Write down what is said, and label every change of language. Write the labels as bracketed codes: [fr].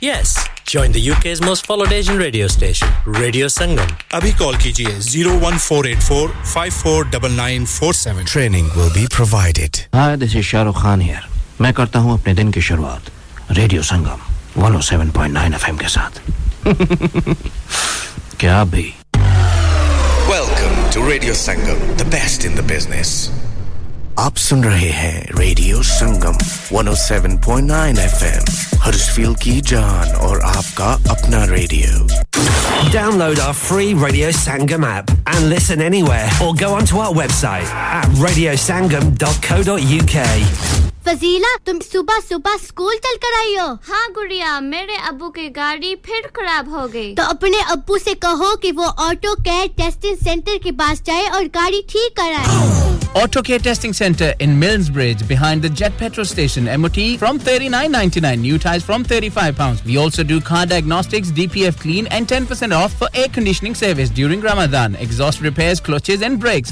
[en] yes join the UK's most followed Asian radio station radio Sangam [hi] अभी call कीजिए 01484549947 [en] training will be provided hi this is Shahrukh Khan here [hi] मैं करता हूं अपने दिन की शुरुआत रेडियो संगम 107.9 एफएम के साथ क्या भी [en] Welcome to Radio Sangam, the best in the business. [hi] आप सुन रहे हैं Radio Sangam, 107.9 FM. Huddersfield की जान और आपका अपना radio. [en] Download our free Radio Sangam app and listen anywhere or go onto our website at radiosangam.co.uk. [hi] Fazila तुम सुबह सुबह स्कूल चल कर आई हो हां गुड़िया मेरे अब्बू की गाड़ी फिर खराब हो गई तो अपने अब्बू से कहो कि वो ऑटो केयर टेस्टिंग सेंटर के पास जाए और गाड़ी ठीक कराए [en] Auto Care Testing Centre in Millsbridge behind the Jet Petrol Station MOT from £39.99. New tyres from £35. We also do car diagnostics, DPF clean and 10% off for air conditioning service during Ramadan. Exhaust repairs, clutches and brakes.